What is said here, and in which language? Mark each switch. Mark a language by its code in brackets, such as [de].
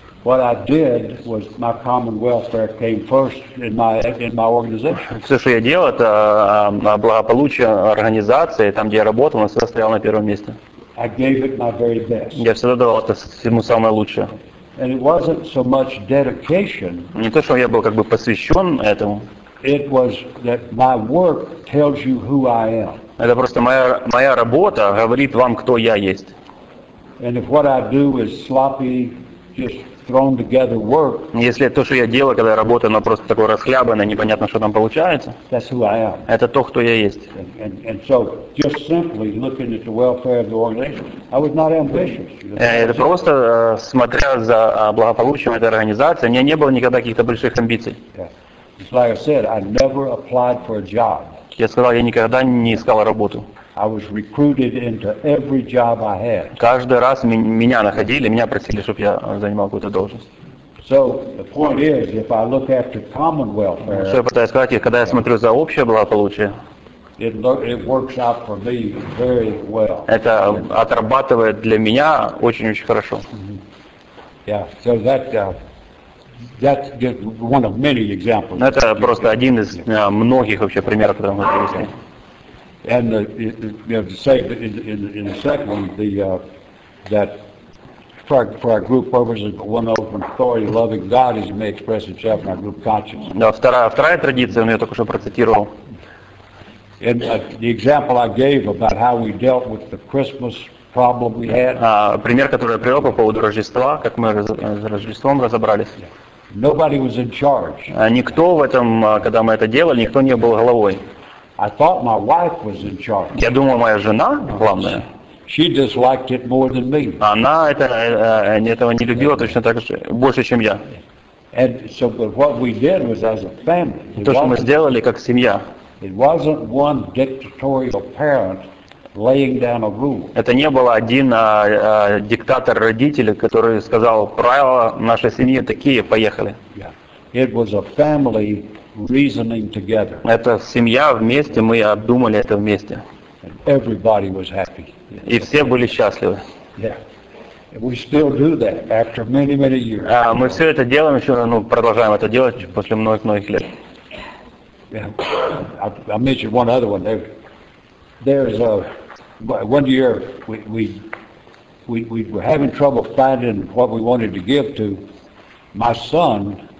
[en] What I did was my common welfare came first in my organization. [ru] Все, что я делал, это благополучие организации, там, где я работал, оно всегда стояло на первом месте. [en] I gave it my very best. [ru] Я всегда давал это всему самое лучшее. [en] And it wasn't so much dedication. [ru] Не то, что я был как бы посвящен этому. [en] It was that my work tells you who I am. [ru] Это просто моя работа говорит вам, кто я есть. [en] And if what I do is sloppy, just thrown together work. [ru] Если то, что я делаю, когда я работаю, оно просто такое расхлябанное, непонятно, что там получается. [en] That's who I am. [ru] Это то, кто я есть. [en] And so, just simply looking at the welfare of the organization, I was not ambitious. [ru] Это просто смотря за благополучием этой организации, у меня не было никогда каких-то больших амбиций. [en] Yeah. Like I said, I never applied for a job. [ru] Я сказал, я никогда не искал работу. [en] I was recruited into every job I had. [ru] Каждый раз меня находили, меня просили, чтобы я занимал какую-то должность. [en] So the point is, if I look after common welfare. [ru] Что я пытаюсь сказать, когда я смотрю за общее благополучие. [en] It works out for me very well. [ru] Это отрабатывает для меня очень-очень хорошо. [en] Yeah. So that's just one of many examples. [ru] Это просто один из многих вообще примеров, которые мы привели. [en] And you have to say in the second one, that for our group purposes, one open authority, loving God as He may express Himself in our group conscience. [ru] Да, вторая традиция, я только что процитировал. [en] And the example I gave about how we dealt with the Christmas problem we had. [ru] Пример, который я привел по поводу Рождества, как мы с Рождеством разобрались. [en] Nobody was in charge. [ru] Никто в этом, когда мы это делали, никто не был головой. [en] I thought my wife was in charge. [ru] Я думал, моя жена главная. [en] She disliked it more than me. [ru] Она этого не любила точно так же больше, чем я. [en] And so, but what we did was as a family. [ru] То, что мы сделали как семья. [en] It wasn't one dictatorial parent laying down a rule. [ru] Это не было один диктатор родителей, который сказал правила нашей семьи такие, поехали. [en] Yeah. It was a family. Reasoning together. [ru] Это семья вместе, мы обдумали это вместе. [en] And everybody was happy. [ru] И все были счастливы. [en] Yeah. And we still do that after many, many years. [ru] Мы все это делаем еще, продолжаем это делать после многих лет. [en] Yeah. I mentioned one other one. There's a one year we were having trouble finding what we wanted to give to my son.